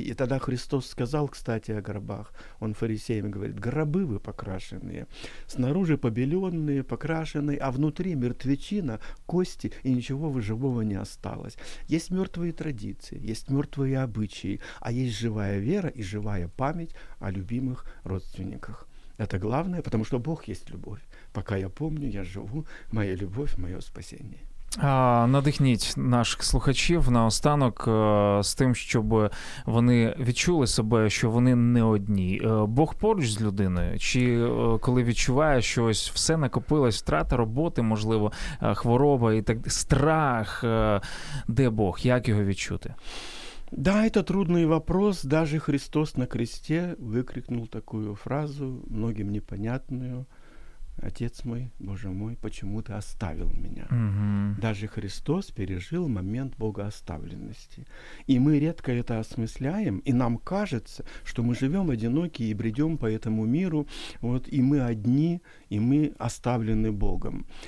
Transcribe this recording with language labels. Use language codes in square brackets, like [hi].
[ru] И тогда Христос сказал, кстати, о гробах. Он фарисеям говорит, гробы вы покрашенные, снаружи побеленные, покрашенные, а внутри мертвечина, кости, и ничего живого не осталось. Есть мертвые традиции, есть мертвые обычаи, а есть живая вера и живая память о любимых родственниках. Это главное, потому что Бог есть любовь. Пока я помню, я живу, моя любовь, мое спасение. [uk] Надихніть наших слухачів наостанок з тим, щоб вони відчули себе, що вони не одні. Бог поруч з людиною? Чи коли відчуває, що ось все накопилось, втрата роботи, можливо, хвороба і так, страх, де Бог, як його відчути? [ru] Да, это трудный вопрос. Даже Христос на кресте выкрикнул такую фразу, многим непонятную. Отец мой, Боже мой, почему ты оставил меня? Угу. Даже Христос пережил момент богооставленности. И мы редко это осмысляем, и нам кажется, что мы живем одиноки и бредем по этому миру, вот, и мы одни, и мы оставлены Богом.